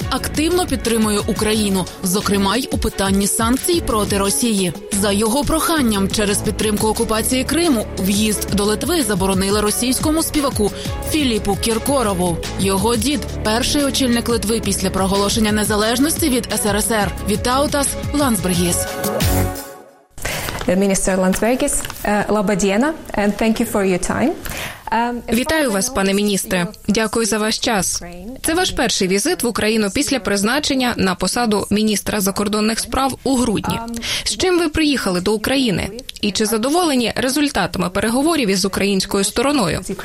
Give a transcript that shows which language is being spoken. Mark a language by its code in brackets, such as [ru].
[uk] Активно підтримує Україну, зокрема й у питанні санкцій проти Росії. За його проханням, через підтримку окупації Криму, в'їзд до Литви заборонили російському співаку Філіпу Кіркорову. Його дід – перший очільник Литви після проголошення незалежності від СРСР. Вітаутас Ландсбергіс. [en] Міністр Ландсбергіс, лабадєна, and thank you for your time. [uk] Вітаю вас, пане міністре. Дякую за ваш час. Це ваш перший візит в Україну після призначення на посаду міністра закордонних справ у грудні. З чим ви приїхали до України? І чи задоволені результатами переговорів із українською стороною?